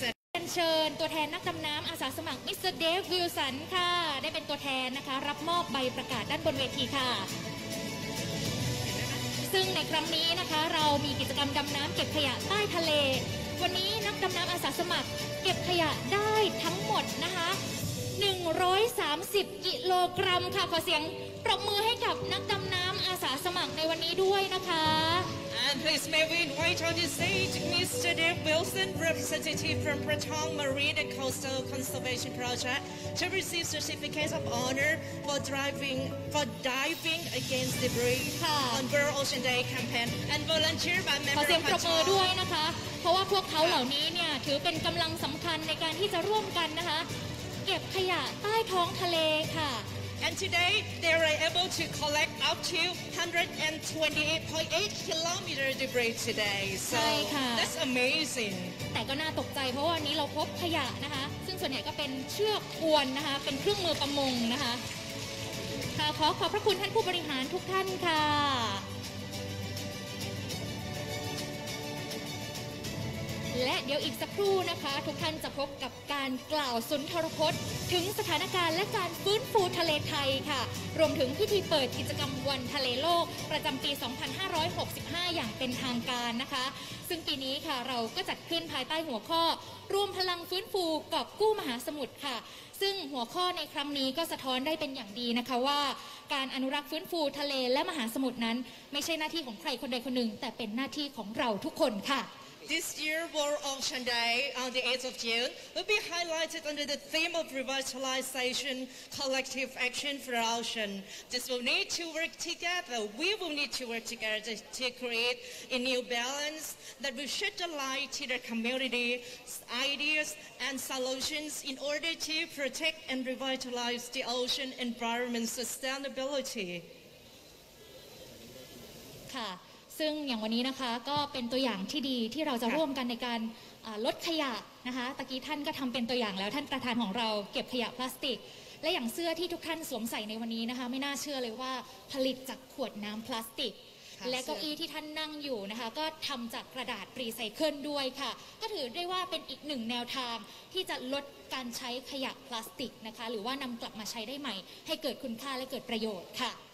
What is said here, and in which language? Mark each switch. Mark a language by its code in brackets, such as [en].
[th] เรียนเชิญตัวแทนนักดำน้ำอาสาสมัครมิสเตอร์เดฟวิลสันค่ะได้เป็นตัวแทนนะคะรับมอบใบประกาศด้านบนเวทีค่ะซึ่งในครั้งนี้นะคะเรามีกิจกรรมดำน้ำเก็บขยะใต้ทะเลวันนี้นักดำน้ำอาสาสมัครเก็บขยะได้ทั้งหมดนะคะ130กิโลกรัมค่ะขอเสียงปรบมือให้กับนักดำน้ำอาสาสมัครในวันนี้ด้วยนะคะ [en] And please may we invite on the stage Mr. Dave Wilson, representative from Prachong Marine and Coastal Conservation Project to receive certificate of honor for diving against debris on World Ocean Day campaign and volunteer by member [th] ขอเสียงปรบมือด้วยนะคะเพราะว่าพวกเขาเหล่านี้เนี่ยถือเป็นกำลังสำคัญในการที่จะร่วมกันนะคะเก็บขยะใต้ท้องทะเลค่ะ [en] And today they are able to collect up to 128.8 kilometer debris today so that's amazing [th] แต่ก็น่าตกใจเพราะว่าวันนี้เราพบขยะนะคะซึ่งส่วนใหญ่ก็เป็นเชือกอวนนะคะเป็นเครื่องมือประมงนะคะขอขอบพระคุณท่านผู้บริหารทุกท่านค่ะและ เดี๋ยวอีกสักครู่นะคะทุกท่านจะพบกับการกล่าวสุนทรพจน์ถึงสถานการณ์และการฟื้นฟูทะเลไทยค่ะรวมถึงพิธีเปิดกิจกรรมวันทะเลโลกประจำปี2565อย่างเป็นทางการนะคะซึ่งปีนี้ค่ะเราก็จัดขึ้นภายใต้หัวข้อรวมพลังฟื้นฟูกอบกู้มหาสมุทรค่ะซึ่งหัวข้อในครั้งนี้ก็สะท้อนได้เป็นอย่างดีนะคะว่าการอนุรักษ์ฟื้นฟูทะเลและมหาสมุทรนั้นไม่ใช่หน้าที่ของใครคนใดคนหนึ่งแต่เป็นหน้าที่ของเราทุกคนค่ะ [en] This year World Ocean Day on the 8th of June will be highlighted under the theme of revitalization collective action for ocean This will need to work together We will need to work together to create a new balance that will shed the light to the community ideas and solutions in order to protect and revitalize the ocean environment sustainability [th] ค่ะซึ่งอย่างวันนี้นะคะก็เป็นตัวอย่างที่ดีที่เราจะร่วมกันในการลดขยะนะคะตะกี้ท่านก็ทำเป็นตัวอย่างแล้วท่านประธานของเราเก็บขยะพลาสติกและอย่างเสื้อที่ทุกท่านสวมใส่ในวันนี้นะคะไม่น่าเชื่อเลยว่าผลิตจากขวดน้ำพลาสติกและเก้าอี้ที่ท่านนั่งอยู่นะคะก็ทำจากกระดาษรีไซเคิลด้วยค่ะก็ถือได้ว่าเป็นอีกหนึ่งแนวทางที่จะลดการใช้ขยะพลาสติกนะคะหรือว่านำกลับมาใช้ได้ใหม่ให้เกิดคุณค่าและเกิดประโยชน์ค่ะ